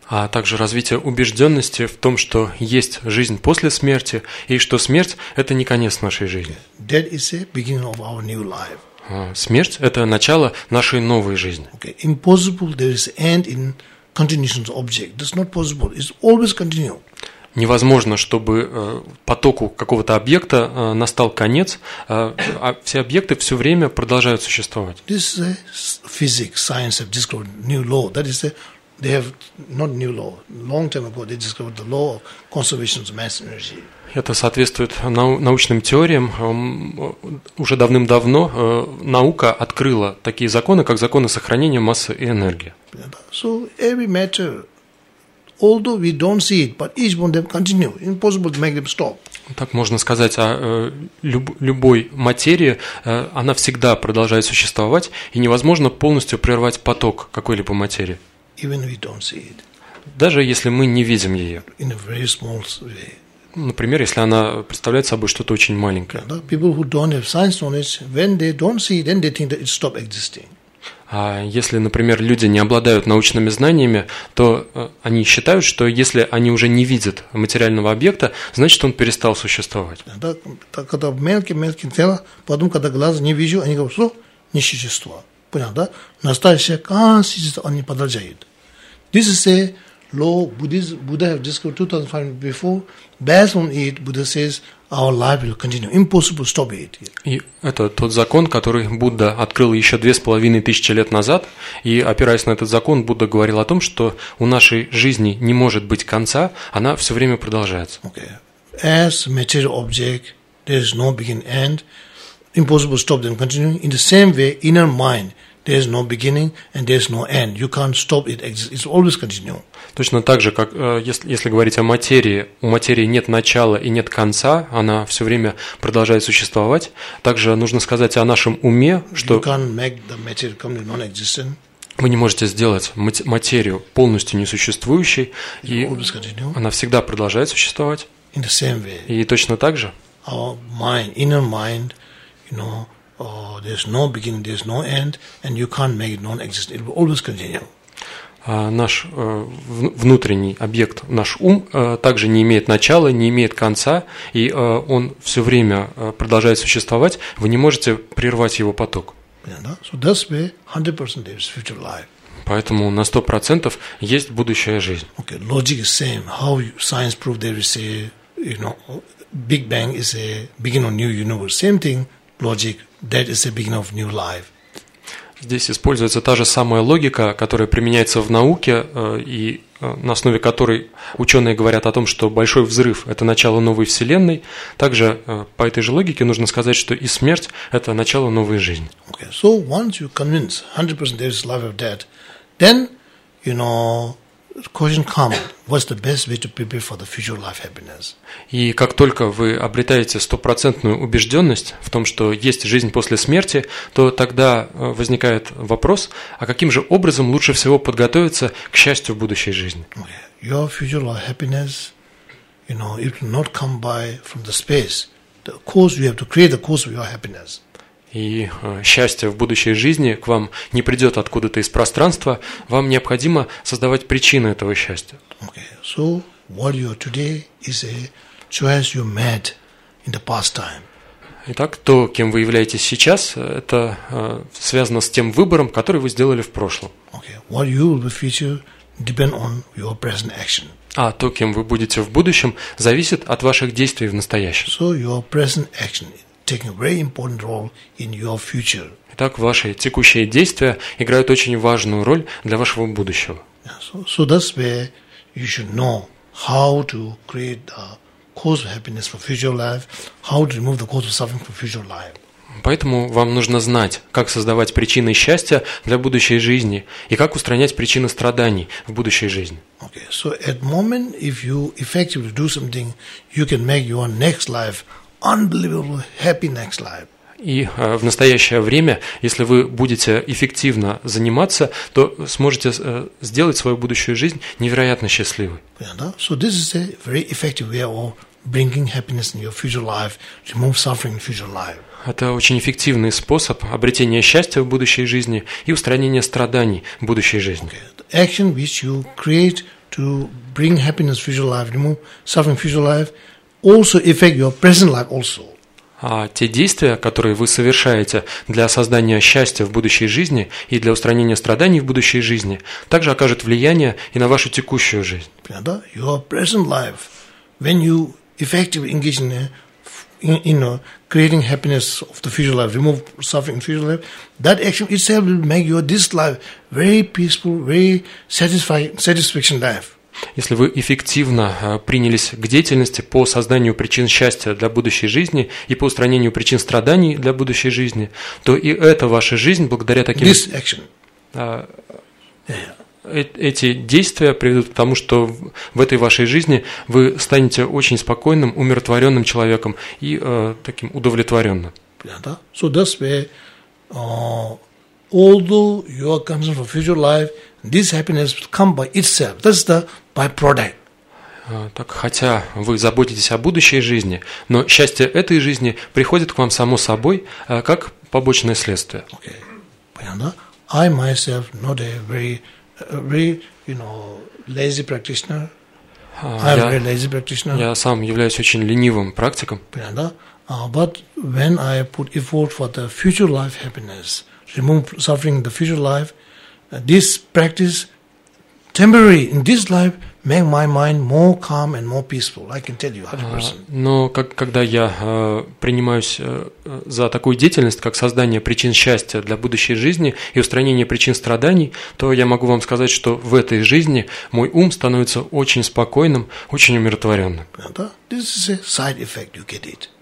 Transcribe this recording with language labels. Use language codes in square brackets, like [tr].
[ru] А также развитие убежденности в том, что есть жизнь после смерти, и что смерть – это не конец нашей жизни. [en] That is the beginning of our new life. [ru] Смерть – это начало нашей новой жизни. [en] Okay. Impossible, there is end in continuation object. That's not possible. It's always continue. [ru] Невозможно, чтобы потоку какого-то объекта настал конец, а все объекты все время продолжают существовать. [en] This is physics, science have discovered new law. That is, they have not new law. Long time ago, they discovered the law of conservation of mass energy. [ru] Это соответствует научным теориям. Уже давным-давно наука открыла такие законы, как законы сохранения массы и энергии. [en] So every matter, although we don't see it, but each one of them continue. Impossible to make them stop. [ru] Так можно сказать о любой материи, она всегда продолжает существовать, и невозможно полностью прервать поток какой-либо материи. [en] Even we don't see it. [ru] Даже если мы не видим ее. [en] In a very small way. [ru] Например, если она представляет собой что-то очень маленькое. [en] Yeah, people who don't have science knowledge, when they don't see, then they think that it stopped existing. [ru] А если, например, люди не обладают научными знаниями, то они считают, что если они уже не видят материального объекта, значит, он перестал существовать. Да, так когда мелкие тела, потом когда глаза не вижу, они говорят, что не существо. Понял, да? Настоящее консистенция, они подражают. [en] This is a law Buddhism, Buddha have discovered 2005 before. Based on it, Buddha says our life will continue. Impossible to stop it. [ru] И это тот закон, который Будда открыл еще 2500 лет назад. И опираясь на этот закон, Будда говорил о том, что у нашей жизни не может быть конца, она все время продолжается. [en] Okay. As material object, there is no beginning end. Impossible to stop them continuing. In the same way, inner mind. There is no beginning and there is no end. You can't stop it. It's always continuing. [ru] Точно так же, как если говорить о материи, у материи нет начала и нет конца, она все время продолжает существовать. Также нужно сказать о нашем уме, что [en] you can't make the material completely non-existent. [ru] Вы не можете сделать материю полностью несуществующей, и она всегда продолжает существовать. [en] In the same way. [ru] И точно так же. [en] Our mind, inner mind, you know. There's no beginning, there's no end, and you can't make it non-existent. It will always continue. [ru] Наш внутренний объект, наш ум, также не имеет начала, не имеет конца, и он все время продолжает существовать. Вы не можете прервать его поток. [en] Yeah, no? So that's where 100% there is future life. [ru] Поэтому на 100% есть будущая жизнь. [en] Okay, logic is same. How science proved there is a, you know, Big Bang is a beginning of new universe. Same thing, logic. That is the beginning of new life. [ru] Здесь используется та же самая логика, которая применяется в науке, и на основе которой ученые говорят о том, что большой взрыв – это начало новой вселенной. Также по этой же логике нужно сказать, что и смерть – это начало новой жизни. [en] Okay. So once you convince 100% there is life of death, then, you know, question come, what's the best way to prepare for the future life happiness? [ru] И как только вы обретаете 100% убежденность в том, что есть жизнь после смерти, то тогда возникает вопрос, а каким же образом лучше всего подготовиться к счастью в будущей жизни? [en] Okay. Your future life happiness, you know, it will not come by from the space. The cause, you have to create the cause of your happiness. [ru] И счастье в будущей жизни к вам не придет откуда-то из пространства, вам необходимо создавать причины этого счастья. [en] Okay. So what you are today is a choice you made in the past time. [ru] Итак, то, кем вы являетесь сейчас, это связано с тем выбором, который вы сделали в прошлом. [en] Okay. What you will be future depend on your present action. [ru] А то, кем вы будете в будущем, зависит от ваших действий в настоящем. [en] So your present action taking a very important role in your future. [ru] Итак, ваши текущие действия играют очень важную роль для вашего будущего. [en] So that's where you should know how to create a cause of happiness for future life, how to remove the cause of suffering for future life. [ru] Поэтому вам нужно знать, как создавать причины счастья для будущей жизни и как устранять причины страданий в будущей жизни. [en] Okay. So at moment, if you effectively do something, you can make your next life unbelievable happy next life. [ru] И в настоящее время, если вы будете эффективно заниматься, то сможете сделать свою будущую жизнь невероятно счастливой. [en] Yeah, no? So this is a very effective way of bringing happiness in your future life, remove suffering in future life. [ru] Это очень эффективный способ обретения счастья в будущей жизни и устранения страданий в будущей жизни. [en] Okay. Action which you create to bring happiness in future life, remove suffering in future life, also affect your present life also. [ru] А те действия, которые вы совершаете для создания счастья в будущей жизни и для устранения страданий в будущей жизни, также окажут влияние и на вашу текущую жизнь. [en] Your present life, when you effectively engage in, you know, creating happiness of the future life, remove suffering in future life, that action itself will make your this life very peaceful, very satisfaction life. [ru] Если вы эффективно принялись к деятельности по созданию причин счастья для будущей жизни и по устранению причин страданий для будущей жизни, то и эта ваша жизнь благодаря таким... [en] This action. [ru] Эти действия приведут к тому, что в этой вашей жизни вы станете очень спокойным, умиротворенным человеком и таким удовлетворенным. [en] So that's why, although you are concerned for future life, this happiness will come by itself. That's the byproduct. [ru] Так, хотя вы заботитесь о будущей жизни, но счастье этой жизни приходит к вам само собой, как побочное следствие. Okay. Понятно? [en] I myself not a very, you know, lazy practitioner. I'm very lazy practitioner. [ru] Я сам являюсь очень ленивым практиком. Понятно? [en] But when I put effort for the future life happiness, remove suffering in the future life, this practice temporary in this life make my mind more calm and more peaceful. I can tell you, as a person. [ru] Но когда я принимаюсь за такую деятельность, как создание причин счастья для будущей жизни и устранение причин страданий, то я могу вам сказать, что в этой жизни мой ум становится очень спокойным, очень умиротворенным. [en] This is a side effect, you get it.